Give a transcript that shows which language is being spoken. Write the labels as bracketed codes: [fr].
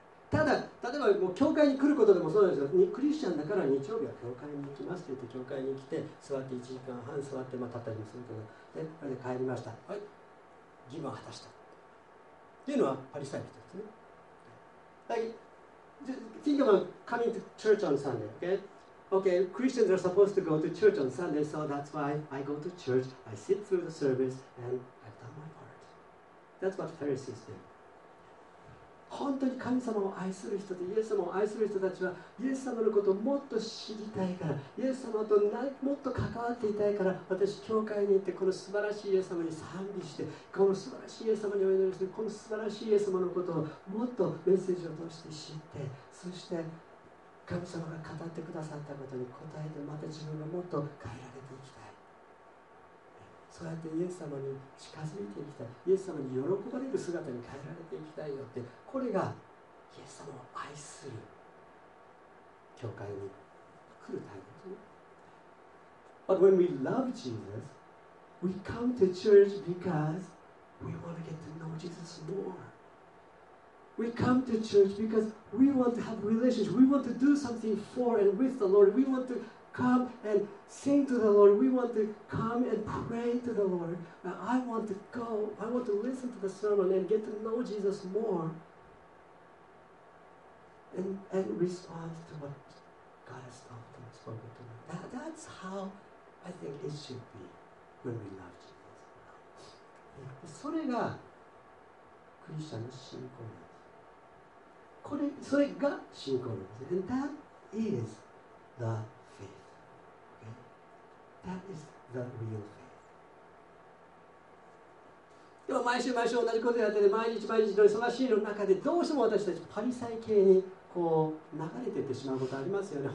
[ja] ただ、例えばもう教会に来ることでもそうですよ。クリスチャンだから日曜日は教会に行きますと言って、教会に来て、座って1時間半座って、まあ、立ったりもするけど、で、それで帰りました。はい。義務を果たした。というのは、パリサイ人ですね。はい。 [en] Think about coming to church on Sunday, okay? Okay, Christians are supposed to go to church on Sunday, so that's why I go to church, I sit through the service, and I've done my part. That's what Pharisees did. [ja] 本当に神様を愛する人とイエス様を愛する人たちはイエス様のことをもっと知りたいから、イエス様ともっと関わっていたいから、私教会に行ってこの素晴らしいイエス様に賛美して、この素晴らしいイエス様にお祈りして、この素晴らしいイエス様のことをもっとメッセージを通して知って、そして神様が語ってくださったことに応えて、また自分がもっと変えられていきたい、そうやってイエス様に近づいていきたい、イエス様に喜ばれる姿に変えられていきたいよって、これがイエス様を愛する教会に来るタイプですね。 [en] But when we love Jesus, we come to church because we want to get to know Jesus more. We come to church because we want to have relationships. We want to do something for and with the Lord. We want to come and sing to the Lord. We want to come and pray to the Lord. I want to go. I want to listen to the sermon and get to know Jesus more. And respond to what God has taught and spoken to them. That's how I think it should be when we love Jesus. [ja] それがクリスチャンの信仰なんです。これ、それが信仰なんです。 [en] And that is the faith. Okay? That is the real faith. [ja] でも毎週毎週同じことやってて、毎日毎日の忙しいの中でどうしても私たちパリサイ系にこう流れていってしまうことありますよね。